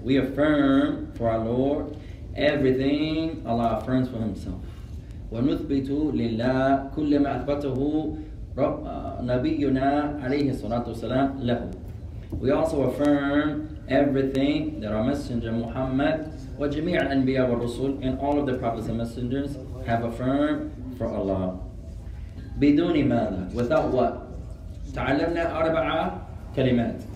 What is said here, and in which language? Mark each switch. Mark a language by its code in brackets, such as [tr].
[en] We affirm for our Lord everything Allah affirms for Himself. [ar] ونثبت لله كل ما أثبته نبينا عليه الصلاة والسلام له. [en] We also affirm everything that our Messenger Muhammad [ar] wa jami' al-anbiya wa rusul [en] and all of the prophets and messengers have affirmed for Allah. [ar] Biduni mala, [en] without what? [ar] Ta'allamna arba'a kalimat.